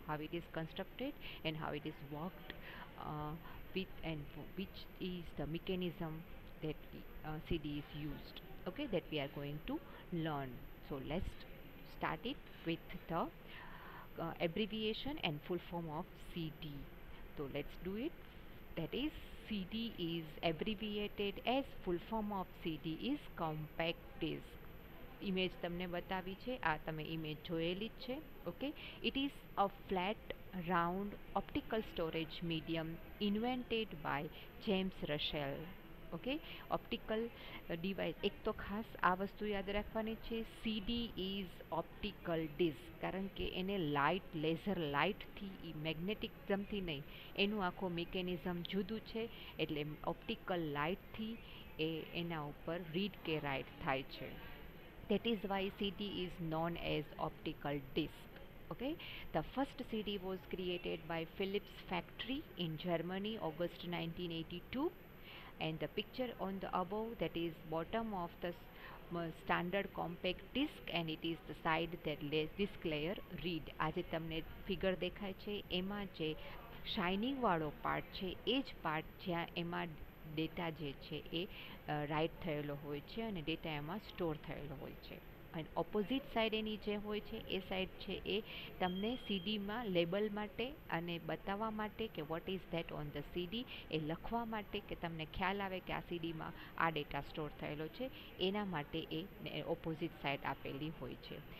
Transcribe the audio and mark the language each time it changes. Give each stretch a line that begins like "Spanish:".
English: How it is constructed and how it is worked with and which is the mechanism that CD is used. Okay, that we are going to learn. So let's start it with the abbreviation and full form of CD. તો let's do it. That is, CD is abbreviated as full form of CD is compact disc. Image
Gujarati: તમને બતાવી છે, આ તમે image જોયેલી જ છે.
English: Okay, it is a flat round optical storage medium invented by James Russell.
Gujarati: Okay, optical device. એક તો ખાસ આ વસ્તુ યાદ રાખવાની છે,
English: CD is optical disc,
Gujarati: કારણ કે એને લાઇટ, લેઝર લાઇટથી, એ મેગ્નેટિકઝમથી નહીં, એનું આખો મિકેનિઝમ જુદું છે. એટલે ઓપ્ટિકલ લાઇટથી એ એના ઉપર રીડ કે રાઇટ થાય છે.
English: That is why CD is known as optical disc. Okay, the first CD was created by Philips factory in Germany August 1982. And the picture on the above, that is bottom of the standard compact disc, and it is the side that disc layer read.
Gujarati: આજે તમને figure દેખાય છે, એમાં જે shining વાળો part છે એ જ part જ્યાં એમાં ડેટા જે છે એ રાઇટ થયેલો હોય છે અને ડેટા એમાં સ્ટોર થયેલો હોય છે. અને ઓપોઝિટ સાઈડ એની જે હોય છે એ સાઈડ છે એ તમને સીડીમાં લેબલ માટે અને બતાવવા માટે કે
English: what is that on the CD,
Gujarati: એ લખવા માટે કે તમને ખ્યાલ આવે કે આ સીડીમાં આ ડેટા સ્ટોર થયેલો છે, એના માટે એ ઓપોઝિટ સાઈડ આપેલી હોય છે.